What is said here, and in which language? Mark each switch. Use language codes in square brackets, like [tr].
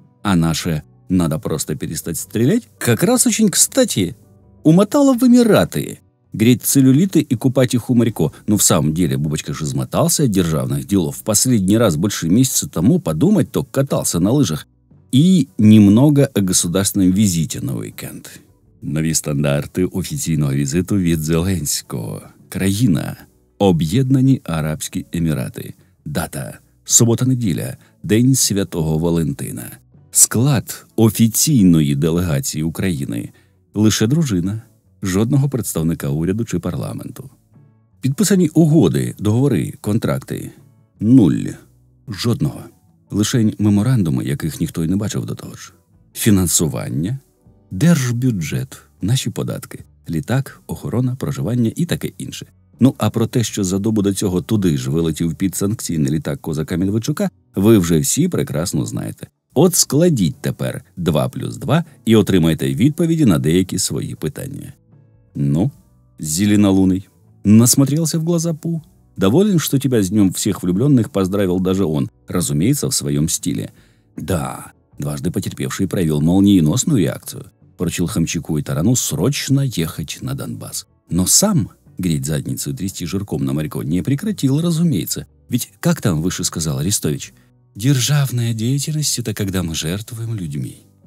[ru] А наше «надо просто перестать стрелять» как раз очень кстати. Умотало в Эмираты. греть целлюлиты и купать их у моряков. Но в самом деле Бубочка же измотался от державных делов. В последний раз больше месяца тому подумать только катался на лыжах. И немного о государственном визите на уикенд. [uk] Нові стандарти офіційного візиту від Зеленського. Країна. Об'єднані Арабські Емірати. Дата. Субота-неділя. День Святого Валентина. Склад офіційної делегації України. Лише дружина. Жодного представника уряду чи парламенту. Підписані угоди, договори, контракти. Нуль. Жодного. Лишень меморандуми, яких ніхто й не бачив до того ж. Фінансування. Держбюджет. Наші податки. Літак, охорона, проживання і таке інше. Ну, а про те, що за добу до цього туди ж вилетів підсанкційний літак козака Медведчука, ви вже всі прекрасно знаєте. От складіть тепер 2 плюс 2 і отримайте відповіді на деякі свої питання. [ru] Ну, зеленолуний, насмотрелся в глаза Пу. [uk] Доволен, що тебе з днем всіх влюблених поздравив даже он, розуміється, в своєму стилі. [ru] Да, дважды потерпевший проявил молниеносную реакцию. Поручил Хомчаку и Тарану срочно ехать на Донбасс. Но сам греть задницу и трясти жирком на моряка не прекратил, разумеется. Ведь, как там выше сказал Арестович, «Державная деятельность – это когда мы жертвуем людьми».